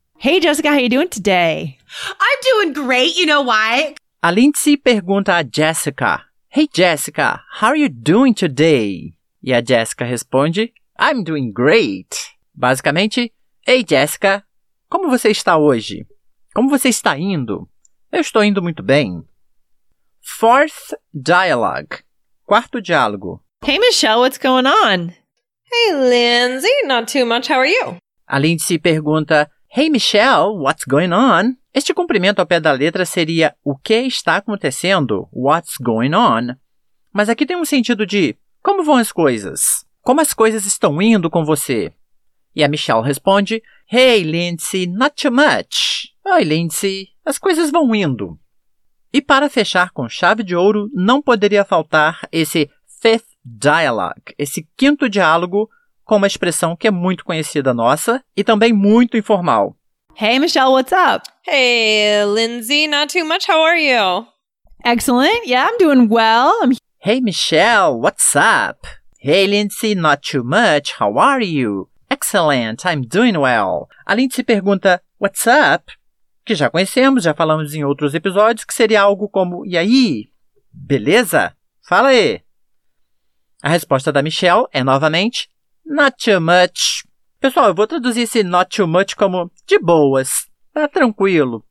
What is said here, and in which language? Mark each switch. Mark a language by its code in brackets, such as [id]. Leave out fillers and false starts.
[en] Hey, Jessica, how are you doing today? I'm doing great, you know why? [pt] A Lindsay pergunta a Jessica. [en] Hey, Jessica, how are you doing today? [pt] E a Jessica responde, [en] I'm doing great. [pt] Basicamente, hey, Jessica, como você está hoje? Como você está indo? Eu estou indo muito bem. [en] Fourth dialogue. [pt] Quarto diálogo. [en] Hey, Michelle, what's going on? Hey, Lindsay, not too much, how are you? [pt] A Lindsay pergunta, [en] hey, Michelle, what's going on? [pt] Este cumprimento ao pé da letra seria o que está acontecendo, [en] what's going on? [pt] Mas aqui tem um sentido de como vão as coisas? Como as coisas estão indo com você? E a Michelle responde, [en] hey, Lindsay, not too much. [pt] Oi, Lindsay, as coisas vão indo. E para fechar com chave de ouro, não poderia faltar esse [en] fifth dialogue, [pt] esse quinto diálogo com uma expressão que é muito conhecida nossa e também muito informal. [en] Hey, Michelle, what's up? Hey, Lindsay, not too much. How are you? Excellent. Yeah, I'm doing well. Hey, Michelle, what's up? Hey, Lindsay, not too much. How are you? Excellent. I'm doing well. [pt] A Lindsay pergunta, [en] what's up? [pt] Que já conhecemos, já falamos em outros episódios, que seria algo como, e aí? Beleza? Fala aí. A resposta da Michelle é, novamente, [en] not too much. [pt] Pessoal, eu vou traduzir esse [en] not too much [pt] como de boas, tá tranquilo.